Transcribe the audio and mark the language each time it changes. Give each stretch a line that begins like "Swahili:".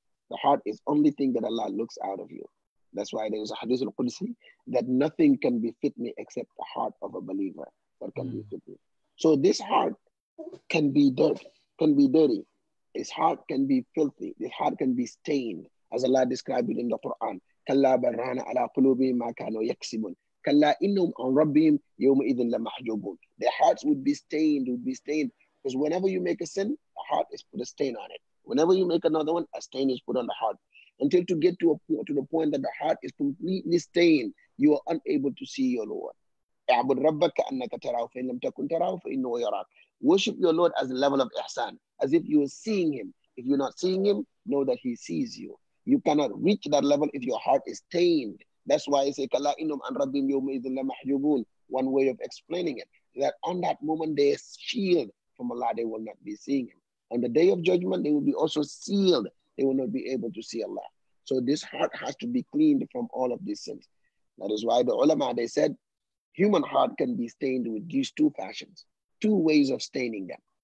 English: The heart is only thing that Allah looks out of you. That's why there is a hadith al-Qudsi that nothing can befit me except the heart of a believer that can befit me. So this heart can be dirt, can be dirty. His heart can be filthy. His heart can be stained, as Allah described it in the Quran.
Arabic: كلا بران على قلوبهم ما كانوا يكسبون كلا إنهم عن ربهم يومئذ لمحجوبون.
English: Their hearts would be stained. Because whenever you make a sin, a heart is put a stain on it. Whenever you make another one, a stain is put on the heart. Until to get to the point that the heart is completely stained, you are unable to see your Lord.
Arabic: اعبد ربك أنك تراه فإن لم تكن تراه فإنه يراك.
English: Worship your Lord as a level of ihsan, as if you are seeing him. If you're not seeing him, know that he sees you. You cannot reach that level if your heart is stained. That's why I say,
Arabic: كلا إنهم عن ربهم يومئذ لمحجوبون.
English: One way of explaining it, that on that moment they are sealed from Allah, they will not be seeing him. On the day of judgment, they will be also sealed. They will not be able to see Allah. So this heart has to be cleaned from all of these sins. That is why the ulama, they said, human heart can be stained with these two fashions, two ways of staining them.